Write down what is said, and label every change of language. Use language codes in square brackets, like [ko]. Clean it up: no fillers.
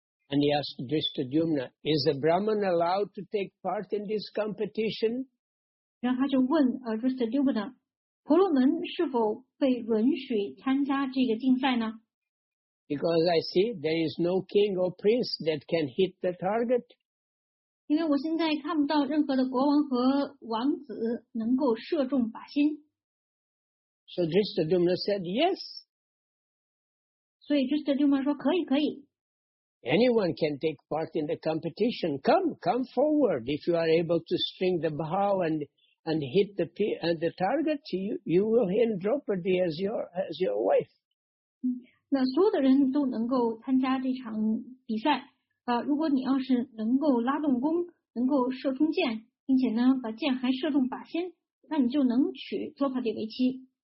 [en] And he asked Drishtadyumna, is a Brahmana allowed to take part in this competition? [zh] 然后他就问 Drishtadyumna, 婆罗门是否被允许参加这个竞赛呢？ [en] Because I see there is no king or prince that can hit the target. [zh] 因为我现在看不到任何的国王和王子能够射中靶心。 [en] So Drishtadyumna said yes. [zh] 所以 Drishtadyumna 说可以可以。 [en] Anyone can take part in the competition. Come forward. If you are able to string the bow and hit the target, you will hit Draupadi as your wife. [zh] 那所有的人都能够参加这场比赛如果你要是能够拉动弓，能够射中箭，并且呢把箭还射中靶心，那你就能娶 Draupadi 为妻。